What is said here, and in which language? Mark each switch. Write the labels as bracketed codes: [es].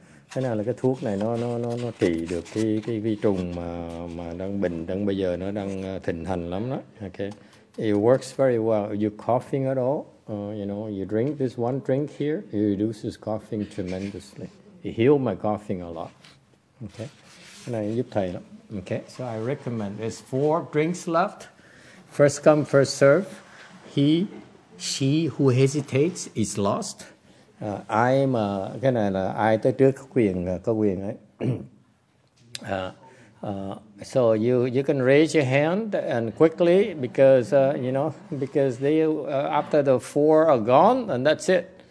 [vi] Cái này là cái thuốc này nó trị được cái vi trùng mà đang bây giờ nó đang thịnh hành lắm đó. [en] Okay, it works very well. If you're coughing at all, you know, you drink this one drink here, it reduces coughing tremendously. It healed my coughing a lot. [vi] Okay, cái này giúp thầy lắm. [en] Okay, so I recommend. There's four drinks left. First come, first serve. He, she who hesitates is lost. [vi] Ai mà cái này là ai tới trước có quyền ấy. [en] So you can raise your hand and quickly because after the four are gone and that's it.